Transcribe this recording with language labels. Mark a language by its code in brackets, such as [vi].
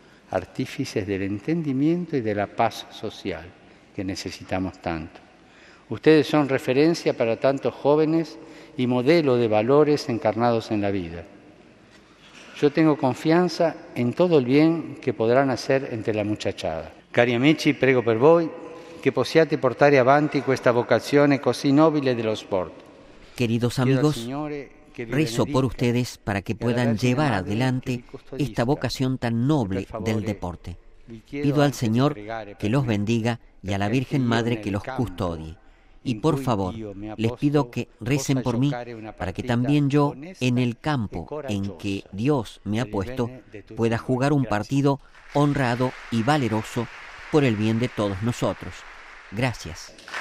[es] Artífices del entendimiento y de la paz social que necesitamos tanto. Ustedes son referencia para tantos jóvenes y modelo de valores encarnados en la vida. Yo tengo confianza en todo el bien que podrán hacer entre la muchachada. [it] Cari amici, prego per voi che possiate portare avanti questa vocazione così nobile dello sport. [es] Queridos amigos, rezo por ustedes para que puedan llevar adelante esta vocación tan noble del deporte. Pido al Señor que los bendiga y a la Virgen Madre que los custodie. Y por favor, les pido que recen por mí para que también yo, en el campo en que Dios me ha puesto, pueda jugar un partido honrado y valeroso por el bien de todos nosotros. Gracias.